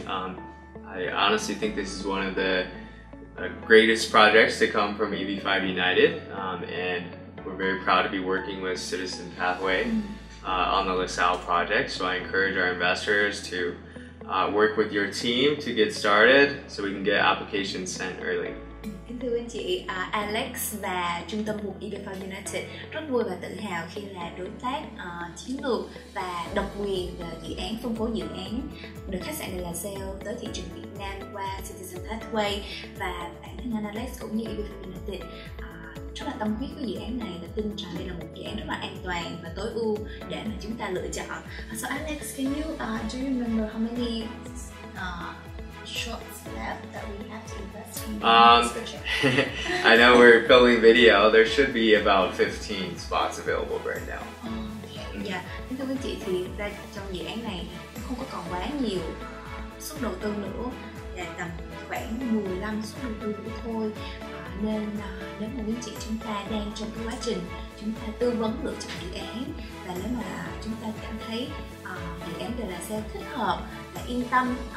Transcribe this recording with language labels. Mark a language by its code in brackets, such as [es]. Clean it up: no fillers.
[en] I honestly think this is one of the greatest projects to come from EB5 United, and we're very proud to be working with Citizen Pathway. On the Lasalle project, so I encourage our investors to work with your team to get started so we can get applications sent early. [vi] Kính thưa anh chị, Alex và trung tâm mục EB5 United rất vui và tự hào khi là đối tác chiến lược và độc quyền về dự án phân phối dự án được khách sạn Lasalle tới thị trường Việt Nam qua Citizen Pathway, và bản thân anh Alex cũng như EB5 United rất là tâm huyết với dự án này và tin rằng đây là một dự án rất là an toàn và tối ưu để mà chúng ta lựa chọn. [en] So Alex, can you do you remember how many shots left that we have to invest in this project? I know we're filming video. There should be about 15 spots available right now. [vi] Yeah, thưa quý chị thì ra trong dự án này không có còn quá nhiều suất đầu tư nữa, là tầm khoảng 15 suất đầu tư nữa thôi. Nên nếu mà quý chị chúng ta đang trong cái quá trình chúng ta tư vấn lựa chọn dự án, và nếu mà chúng ta cảm thấy dự án đều là sẽ thích hợp và yên tâm